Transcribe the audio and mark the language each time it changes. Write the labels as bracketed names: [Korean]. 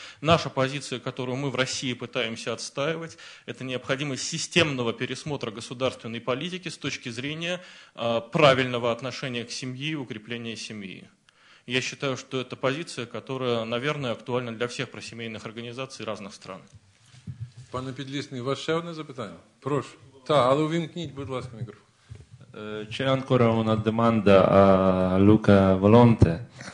[Russian] Наша позиция, которую мы в России пытаемся отстаивать, это необходимость системного пересмотра государственной политики с точки зрения правильного отношения к семье и укрепления семьи. Я считаю, что это позиция, которая, наверное, актуальна для всех просемейных организаций разных стран. [Ukrainian] Пане Підлісний, у вас ще одне запитання? Прошу. Так, але увімкніть, будь ласка, мікрофон. [Italian] C'è ancora una domanda a Luca Volonte.